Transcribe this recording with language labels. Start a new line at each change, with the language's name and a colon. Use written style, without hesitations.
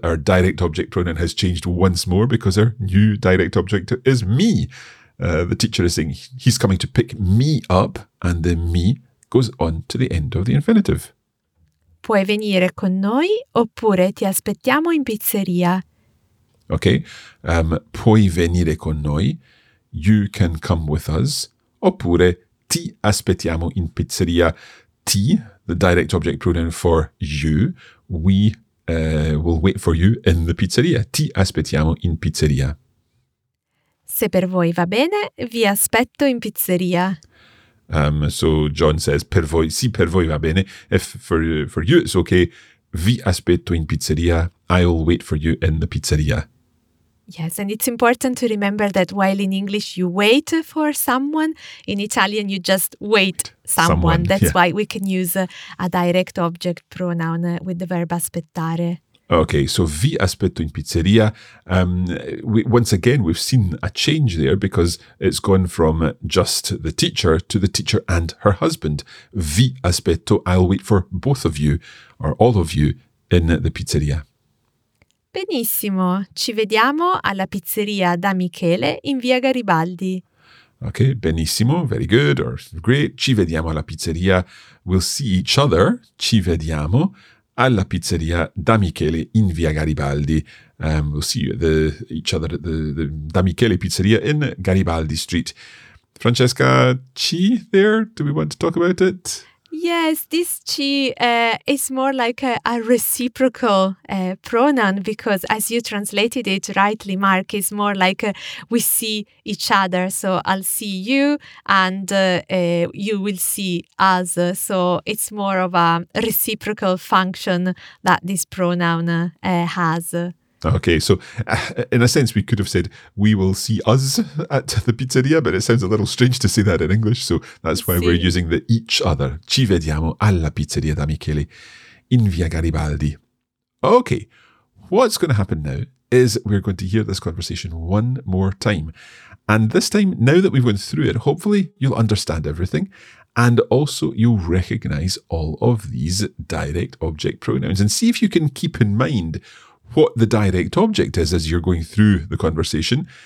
English: Our direct object pronoun has changed once more because our new direct object is me. The teacher is saying he's coming to pick me up, and the me goes on to the end of the infinitive.
Italian: Puoi venire con noi oppure ti aspettiamo in pizzeria.
English: Okay,
Italian: puoi venire con noi,
English: you can come with us,
Italian: oppure ti aspettiamo in pizzeria.
English: Ti, the direct object pronoun for you, we will wait for you in the pizzeria.
Italian: Ti aspettiamo in pizzeria. Se per voi va bene, vi aspetto in pizzeria.
English: So John says,
Italian: per voi, sì, per voi va bene.
English: If for you it's okay,
Italian: vi aspetto in pizzeria.
English: I will wait for you in the pizzeria. Yes, and it's important to remember that while in English you wait for someone, in Italian you just wait someone. That's why we can use a direct object pronoun with the verb aspettare. Okay, so
Italian: vi aspetto in pizzeria.
English: Once again, we've seen a change there because it's gone from just the teacher to the teacher and her husband.
Italian: Vi aspetto,
English: I'll wait for both of you or all of you in the pizzeria.
Italian: Benissimo, ci vediamo alla pizzeria da Michele in via Garibaldi.
English: Okay, benissimo, very good or great.
Italian: Ci vediamo alla pizzeria.
English: We'll see each other.
Italian: Ci vediamo alla pizzeria da Michele in via Garibaldi.
English: We'll see each other at the da Michele pizzeria in Garibaldi Street. Francesca, chi there? Do we want to talk about it? Yes, this chi is more like a reciprocal pronoun, because as you translated it rightly, Mark, it's more like we see each other. So I'll see you and you will see us. So it's more of a reciprocal function that this pronoun has. Okay, so in a sense, we could have said, we will see us at the pizzeria, but it sounds a little strange to say that in English. So that's why we're using the each other.
Italian: Ci vediamo alla pizzeria da Michele in via Garibaldi.
English: Okay, what's going to happen now is we're going to hear this conversation one more time. And this time, now that we've gone through it, hopefully you'll understand everything. And also you'll recognize all of these direct object pronouns and see if you can keep in mind what the direct object is as you're going through the conversation.